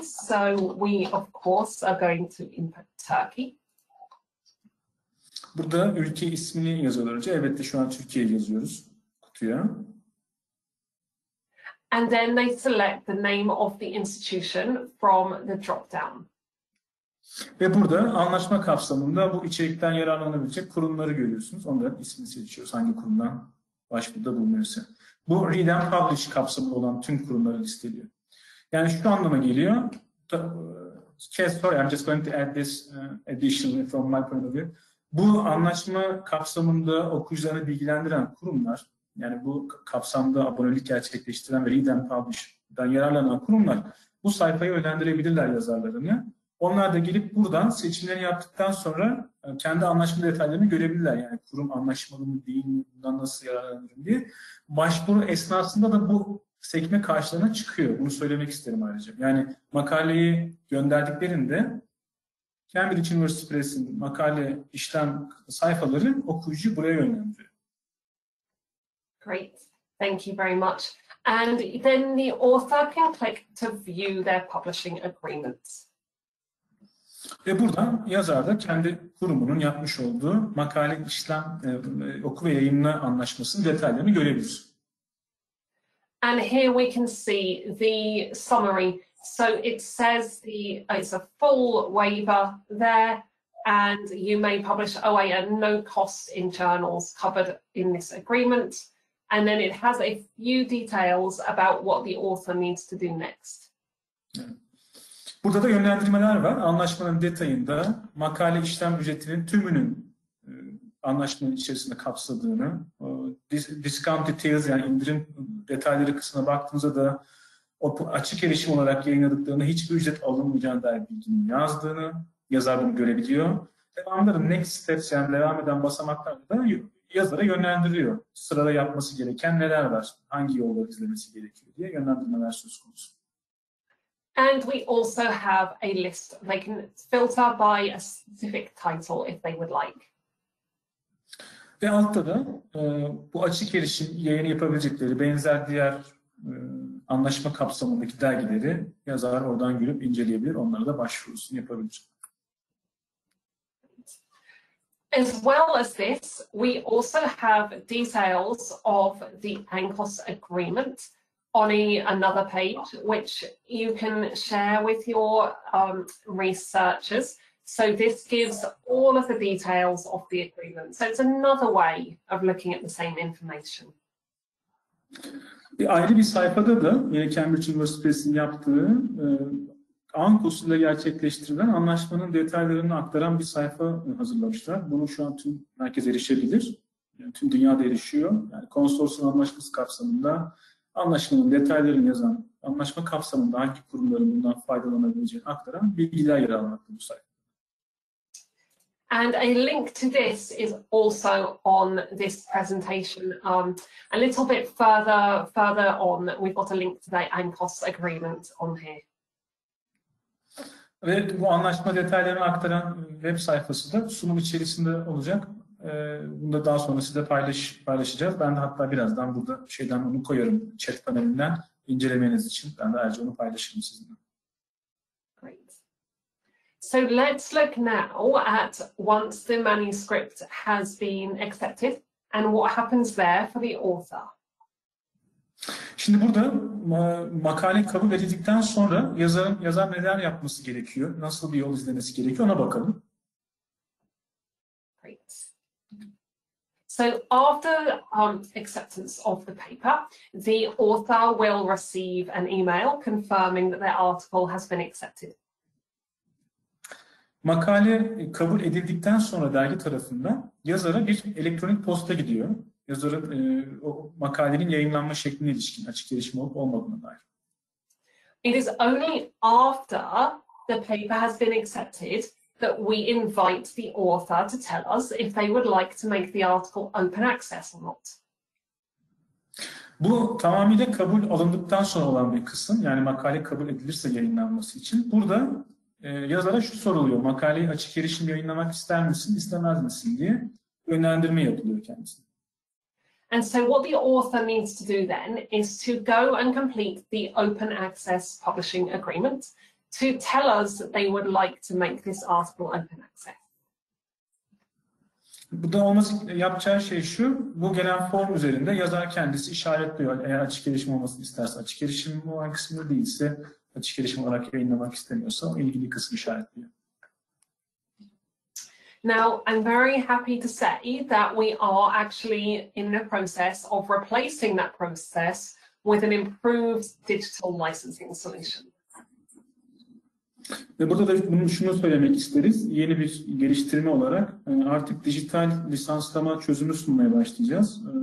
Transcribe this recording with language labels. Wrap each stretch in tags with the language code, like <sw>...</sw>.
<en>So we of course are going to input Turkey.</en> <tr>Burada ülke ismini yazıyorlar önce. Elbette şu an Türkiye yazıyoruz kutuya.</tr> <en>And then they select the name of the institution from the drop-down.</en> <tr>Ve burada anlaşma kapsamında bu içerikten yararlanabilecek kurumları görüyorsunuz. Onların ismini seçiyoruz hangi kurumdan başvuruda bulunuyorsa. Bu Read and Publish kapsamında olan tüm kurumları listeliyor. Yani şu anlama geliyor.</tr> <en>I'm just going to add this additionally from my point of view.</en> <tr>Bu anlaşma kapsamında okuyucularını bilgilendiren kurumlar, yani bu kapsamda abonelik gerçekleştiren ve Read and Publish'dan yararlanan kurumlar bu sayfayı yönlendirebilirler yazarlarını. Onlar da gelip buradan seçimleri yaptıktan sonra kendi anlaşma detaylarını görebilirler. Yani kurum anlaşmalı mı değil mi, bundan nasıl yararlanırım diye. Başvuru esnasında da bu sekme karşılarına çıkıyor. Bunu söylemek isterim ayrıca. Yani makaleyi gönderdiklerinde Cambridge University Press'in makale işlem sayfaları okuyucu buraya yönlendiriyor.</tr> <en>Great. Thank you very much. And then the author can click to view their publishing agreements.</en> <tr>Ve buradan yazar da kendi kurumunun yapmış olduğu makale işlem oku ve yayınla anlaşmasının detaylarını görebiliriz.</tr> <en>And here we can see the summary. So it says it's a full waiver there and you may publish OA at no cost in journals covered in this agreement. And then it has a few details about what the author needs to do next.</en> <tr>Yeah. Burada da yönlendirmeler var. Anlaşmanın detayında makale işlem ücretinin tümünün anlaşmanın içerisinde kapsadığını,</tr> <en>discount details</en> <tr>yani indirim detayları kısmına baktığınızda da açık erişim olarak yayınladıklarını hiçbir ücret alınmayacağına dair bilginin yazdığını, yazar bunu görebiliyor. Devamında da</tr> <en>next steps</en> <tr>yani devam eden basamaklar da yazara yönlendiriyor. Sırada yapması gereken neler var, hangi yolları izlemesi gerekiyor diye yönlendirmeler söz konusu.</tr> <en>And we also have a list. They can filter by a specific title if they would like.</en> <tr>Ve altta da bu açık erişim yayını yapabilecekleri benzer diğer anlaşma kapsamındaki dergileri yazar oradan görüp inceleyebilir. Onlara da başvurusunu yapabilecek.</tr> <en>As well as this, we also have details of the ANCOS agreement on another page, which you can share with your researchers. So this gives all of the details of the agreement. So it's another way of looking at the same information.</en> <tr>Ayrı bir sayfada da yine Cambridge Üniversitesi'nin yaptığı ANCOS'un da gerçekleştirilen anlaşmanın detaylarını aktaran bir sayfa hazırlamışlar. Bunu şu an tüm herkes erişebilir. Yani tüm dünyada erişiyor. Yani konsorsiyum anlaşması kapsamında anlaşmanın detaylarını yazan, anlaşma kapsamında hangi kurumların bundan faydalanabileceğini aktaran bilgiler yer almakta bu sayfa.</tr> <en>And a link to this is also on this presentation. A little bit further on, we've got a link to the ANCOS agreement on here.</en> <tr>Ve bu anlaşma detaylarını aktaran web sayfası da sunum içerisinde olacak. Bunu da daha sonra size paylaşacağız. Ben de hatta birazdan burada şeyden onu koyarım chat panelinden incelemeniz için. Ben de ayrıca onu paylaşırım sizinle.</tr> <en>So let's look now at once the manuscript has been accepted and what happens there for the author.</en> <tr>Şimdi burada makale kabul edildikten sonra yazar neler yapması gerekiyor? Nasıl bir yol izlemesi gerekiyor? Ona bakalım.</tr> <en>Great. So after acceptance of the paper, the author will receive an email confirming that their article has been accepted.</en> <tr>Makale kabul edildikten sonra dergi tarafından yazara bir elektronik posta gidiyor. Yazarın o makalenin yayınlanma şekline ilişkin açık gelişme olup olmadığına dair.</tr> <en>It is only after the paper has been accepted that we invite the author to tell us if they would like to make the article open access or not.</en> <tr>Bu tamamıyla kabul alındıktan sonra olan bir kısım. Yani makale kabul edilirse yayınlanması için. Burada yazara şu soruluyor, makaleyi açık erişim yayınlamak ister misin, istemez misin diye yönlendirme yapılıyor kendisine.</tr> <en>And so what the author needs to do then is to go and complete the open access publishing agreement to tell us that they would like to make this article open access.</en> <tr>Bu da olması yapacağı şey şu, bu gelen form üzerinde yazar kendisi işaretliyor. Eğer açık erişim olmasını isterse, açık erişim olan kısmı değilse, açık erişim olarak yayınlamak istemiyorsa ilgili kısmı işaretliyor.</tr> <en>Now, I'm very happy to say that we are actually in the process of replacing that process with an improved digital licensing solution.</en> <tr>Ve burada da bunu şunu söylemek isteriz. Yeni bir geliştirme olarak artık dijital lisanslama çözümü sunmaya başlayacağız.</tr>